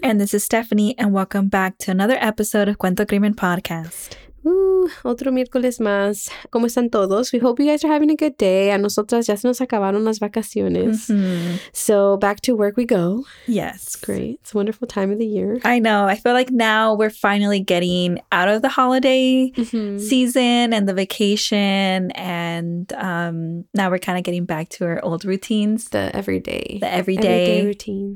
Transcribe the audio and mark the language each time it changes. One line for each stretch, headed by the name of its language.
English: And this is Stephanie, and welcome back to another episode of Cuento Crimen Podcast.
Spanish: Otro miércoles más. ¿Cómo están todos?
English: We hope you guys are having a good day.
Spanish: A nosotras ya se nos acabaron las vacaciones.
English: So back to work we go. Yes. It's great. It's a wonderful time of the year. I know. I feel like now we're finally getting out of the holiday season and the vacation. And now we're kind of getting back to our old routines. The everyday routine.